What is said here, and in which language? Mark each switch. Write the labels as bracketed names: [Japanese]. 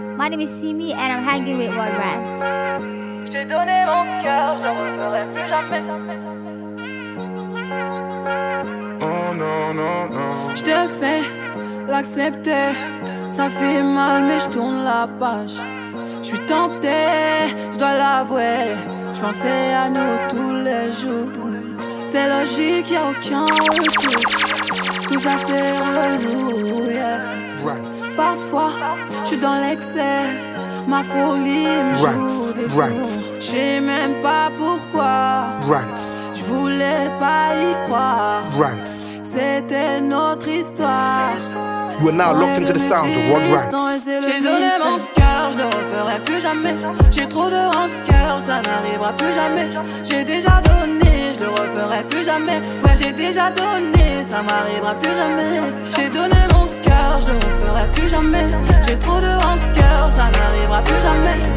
[English] My name is Simi and I'm hanging with World Rant. [French] J'ai donné mon cœur, je reviendrai plus jamais, jamais, jamais. Oh non, non, non. J'te fais l'accepter. Ça fait mal, mais j'tourne la page. J'suis tenté, j'dois l'avouer. J'pensais à nous tous les jours. C'est logique, y'a aucun retour. Tout ça, c'est relou, yeah. [English] Rant. [French] Parfois, j'suis dans l'excès. Ma folie me joue des coups. J'sais même pas pourquoi. [English] Rant. [French] J'voulais pas y croire. [English] Rant. [French] C'était notre histoire. [English] You are now locked into the sounds of World Rant. [French] J'ai donné mon cœur, je le referai plus jamais. J'ai trop de rancœur, ça n'arrivera plus jamais. J'ai déjà donné, je le referai plus jamais. Ouais, j'ai déjà donné, ça m'arrivera plus jamais. J'ai donné mon cœur, je le referai plus jamais. J'ai trop de rancœur, ça n'arrivera plus jamais.